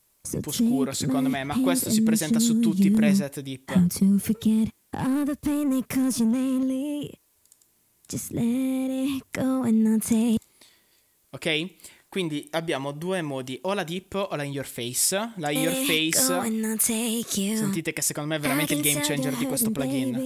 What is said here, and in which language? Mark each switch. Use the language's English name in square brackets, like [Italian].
[Italian] Un po' scuro secondo me, ma questo si presenta su tutti i preset deep. [English] All the pain they cause you lately. Just let it go and not say. [Italian] Ok, quindi abbiamo due modi, o la deep o la in your face. La in your face, sentite che secondo me è veramente il game changer di questo plugin.